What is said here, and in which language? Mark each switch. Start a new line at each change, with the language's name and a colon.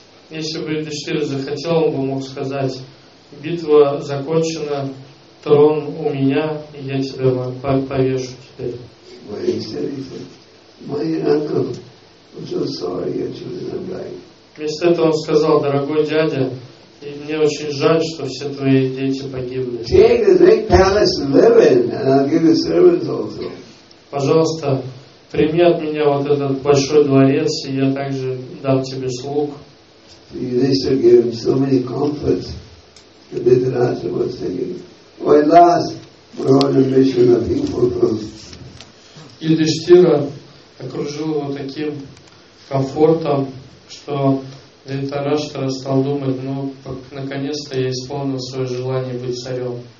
Russian: Если бы Юдхиштхира захотел, он бы мог сказать: битва закончена, трон у меня, и я тебя повешу теперь. Вместо этого он сказал: дорогой дядя, и мне очень жаль, что все твои дети погибли.
English: Take the great palace and live in, and I'll give you servants also.
Russian: Пожалуйста, прими от меня вот этот большой дворец, и я также дам тебе слуг.
English: Yudhishthira gave him so many comforts that Dhritarashtra was saying, "Oh, at last, my order mission has been fulfilled."
Russian: Юдхиштхира окружил его таким комфортом, что Дхритараштра стал думать, ну, наконец-то я исполнил свое желание быть царем.